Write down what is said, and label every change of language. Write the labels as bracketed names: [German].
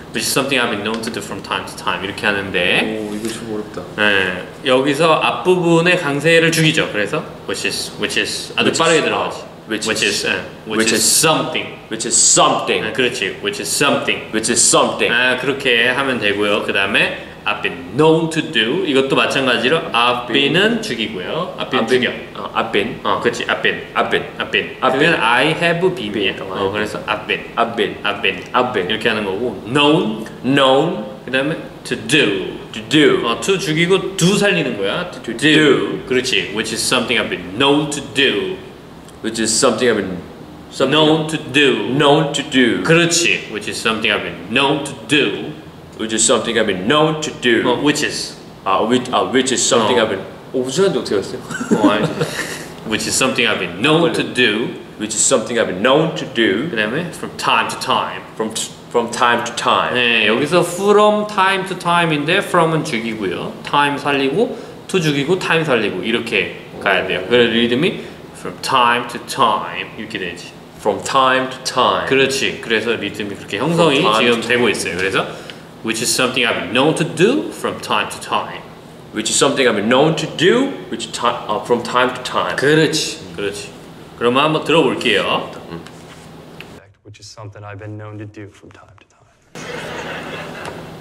[English] Which is something I've been known to do from time to time. [Korean] 이렇게 하는데. 오, 이거 좀 어렵다. 네. 여기서 앞부분에 강세를 죽이죠. 그래서 [English] which is [Korean] 아주 which 빠르게 들어가지. [English] Which is something. [Korean] 아, 그렇지. [English] Which is something. [Korean] 아, 그렇게 하면 되고요. 그다음에 [English] I've been known to do [Korean] 이것도 마찬가지로 [English] I've been [Korean] 은 죽이고요. [English] I've been. I have been. been. 어, 그래서 I've been. I've been. I've been. [Korean] 이렇게 하는 거고 [English] known. [Korean] 그다음에 [English] to do. [Korean] 어, to 죽이고 do 살리는 거야. [English] To do. [Korean] 그렇지. [English] Which is something I've been known to do. Which is something I've been something known to do. Known to do. [Korean] 그렇지. [English] Which is something I've been known to do. Which is something I've been known to do. 어, which is. 아, which is something I've been. [Korean] 오, 우주한테 어떻게 왔어요? [English] 어, which is something I've been known to do. Which is something I've been known to do. [Korean] 그다음에 [English] from time to time. From time to time. [Korean] 네, 여기서 [English] from time to time [Korean] 인데 from은 죽이고요. time 살리고 to 죽이고 time 살리고 이렇게 가야 돼요. 그래서 리듬이 [English] from time to time [Korean] 이렇게 되지. [English] From time to time. [Korean] 그렇지. 그래서 리듬이 그렇게 형성이 지금 되고 있어요. 그래서 [English] which is something I've been known to do from time to time. Which is something I've been known to do which time, from time to time. [Korean] 그렇지. 그렇지. 그럼 한번 들어볼게요. [English] Which is something I've been known to do from time to time.